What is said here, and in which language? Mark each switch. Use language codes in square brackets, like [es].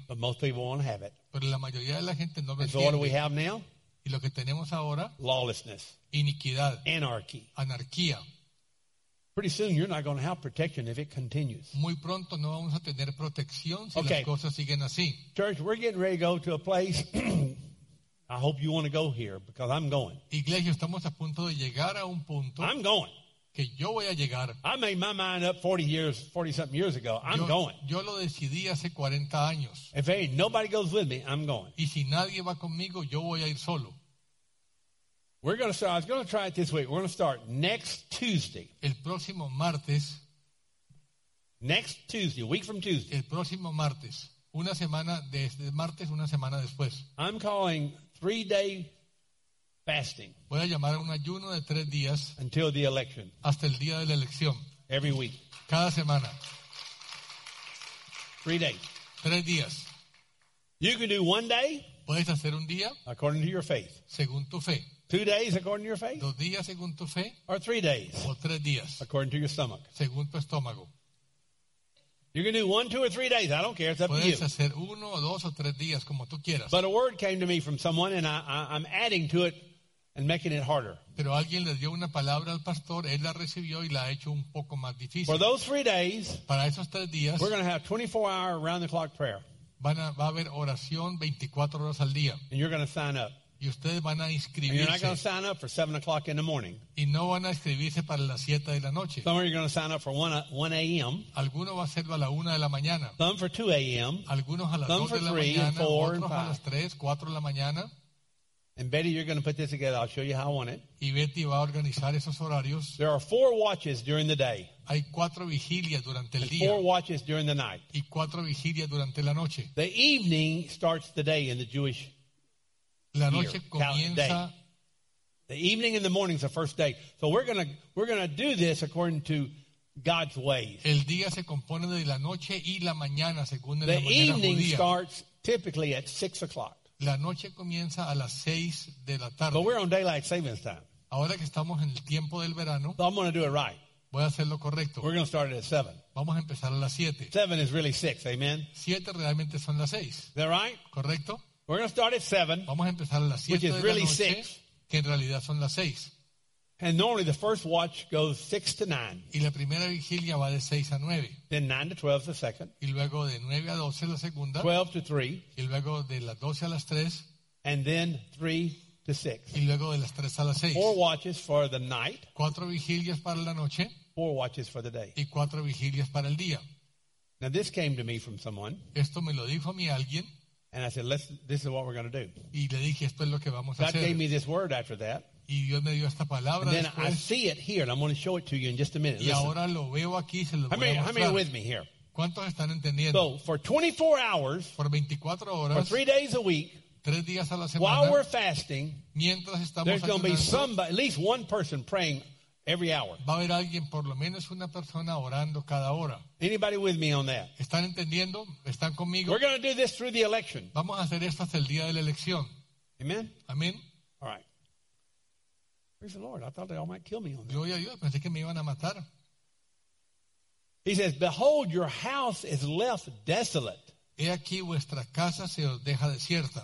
[en] But most people won't have it. [es] Pero la mayoría de la gente no lo entiende. [en] And so what do we have now? [es] Y lo que tenemos ahora. [en] Lawlessness. [es] Iniquidad. [en] Anarchy. [es] Anarquía. [en] Pretty soon you're not going to have protection if it continues. [es] Muy pronto no vamos a tener protección si las cosas siguen así. [en] Church, we're getting ready to go to a place. I hope you want to go here because I'm going. [es] Iglesia, estamos a punto de llegar a un punto. [en] I'm going. [es] Que yo voy a llegar. [en] I made my mind up 40 something years ago. I'm going. [es] Yo lo decidí hace 40 años. [en] If nobody goes with me, I'm going. [es] Y si nadie va conmigo, yo voy a ir solo. [en] We're going to start. I was going to try it this week. We're going to start next Tuesday. [es] El próximo martes. [en] Next Tuesday, a week from Tuesday. [es] El próximo martes. Una semana desde martes, una semana después. [en] I'm calling 3-day fasting. [es] Voy a llamar a un ayuno de 3 días. [en] Until the election. [es] Hasta el día de la elección. [en] Every week. [es] Cada semana. [en] 3 days. [es] 3 días. [en] You can do 1 day. [es] Puedes hacer un día. [en] According to your faith. [es] Según tu fe. [en] 2 days according to your faith. [es] 2 días según tu fe. [en] Or 3 days. [es] O 3 días. [en] According to your stomach. [es] Según tu estómago. [en] You can do 1, 2, or 3 days. I don't care. It's up [es] puedes [en] to you. [es] Puedes hacer 1, 2, or 3 días como tú quieras. [en] But a word came to me from someone, and I'm adding to it and making it harder. [es] Pero alguien le dio una palabra al pastor. Él la recibió y la ha hecho un poco más difícil. [en] For those 3 days. [es] Para esos 3 días. [en] We're going to have 24-hour round-the-clock prayer. [es] Va a haber oración 24 horas al día. [en] And you're going to sign up. [es] Y ustedes van a inscribirse. [en] And you're not going to sign up for 7 o'clock in the morning. [es] Y no van a inscribirse para las 7 de la noche. [en] Some are going to sign up for 1 a.m. [es] Alguno va a hacerlo a la 1 de la mañana. [en] Some for 2 a.m. [es] Algunos a las 2 de la mañana. Otros a las 3, 4 de la mañana. [en] And Betty, you're going to put this together. I'll show you how I want it. [es] Y Betty va a organizar esos horarios. [en] There are 4 watches during the day. [es] Hay 4 vigilias durante el día. [en] And 4 watches during the night. [es] Y 4 vigilias durante la noche. [en] The evening starts the day in the Jewish [es] la noche comienza [en] The evening and the morning is the first day. So we're gonna do this according to God's ways. [es] El día se compone de la noche y la mañana según la mañana [en] evening [es] judía. [en] Starts typically at 6 o'clock. [es] La noche comienza a las 6 de la tarde. [en] But we're on daylight savings time. [es] Ahora que estamos en el tiempo del verano. [en] So I'm gonna do it right. [es] Voy a hacerlo correcto. [en] We're gonna start it at 7. [es] Vamos a empezar a las 7. [en] 7 is really 6, amen. [es] 7 realmente son las 6. [en] Is that right? [es] Correcto. [en] We're gonna start at 7. [es] Vamos a empezar a las 7 [en] which is [es] de [en] really [es] la noche. [en] 6. [es] Que en realidad son las 6. [en] And normally the first watch goes 6 to 9. [es] Y la primera vigilia va de 6 a 9. [en] Then 9 to 12 is the second. [es] Y luego de 9 a 12 la segunda. [en] 12 to 3. [es] Y luego de las 12 a las 3. [en] And then 3 to 6. [es] Y luego de las 3 a las 6. [en] 4 watches for the night. [es] 4 vigilias para la noche. [en] 4 watches for the day. [es] Y 4 vigilias para el día. [en] Now this came to me from someone. [es] Esto me lo dijo a mí alguien. [en] And I said, this is what we're going to do. [es] Y le dije, esto es lo que vamos [en] God [es] a hacer. [en] Gave me this word after that. [es] Y Dios me dio esta palabra [en] and [es] después. [en] Then I see it here, and I'm going to show it to you in just a minute. [es] Y ahora lo veo aquí, se lo voy a mostrar. [en] How many are with me here? [es] ¿Cuántos están entendiendo? [en] So, for 24 hours, [es] por 24 horas, [en] for 3 days a week, [es] 3 días a la semana, [en] while we're fasting, [es] mientras estamos [en] there's [es] ayunando, [en] going to be somebody, at least one person praying every hour. [es] Va a haber alguien, por lo menos una persona orando cada hora. [en] Anybody with me on that? [es] ¿Están entendiendo? ¿Están conmigo? [en] We're going to do this through the election. [es] Vamos a hacer esto hasta el día de la elección. [en] Amen. Amen. All right. Praise the Lord. I thought they all might kill me on that. [es] Gloria a Dios. Pensé que me iban a matar. [en] He says, behold, your house is left desolate. [es] He aquí vuestra casa se os deja desierta.